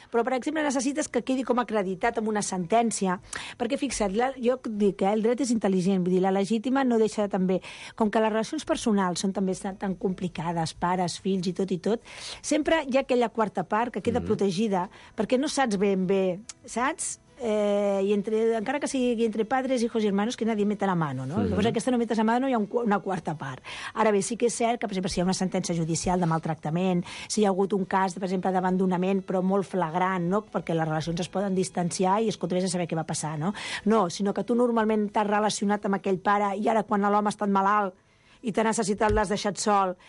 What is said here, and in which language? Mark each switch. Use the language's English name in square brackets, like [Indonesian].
[Catalan] Però, per exemple, necessites que quedi com acreditat amb una sentència. Perquè, fixa't, jo dic que el dret és intel·ligent. Vull dir, la legítima no deixa de també... Com que les relacions personals són també tan complicades, pares, fills i tot, sempre hi ha aquella quarta part que queda protegida perquè no saps ben bé, saps? [Spanish] Y entre, [Catalan] encara que sigui [Spanish] entre padres, hijos y hermanos, que nadie meta la mano, ¿no? [Catalan] Sí. Llavors, aquesta [Spanish] no metes la mano, [Catalan] hi ha una quarta part. Ara bé, sí que és cert que, per exemple, si hi ha una sentència judicial de maltractament, si hi ha hagut un cas, per exemple, d'abandonament, però molt flagrant, no?, perquè les relacions es poden distanciar i es contraves a saber què va passar, no? No, sinó que tu normalment t'has relacionat amb aquell pare i ara, quan l'home ha estat malalt i t'ha necessitat, l'has deixat sol.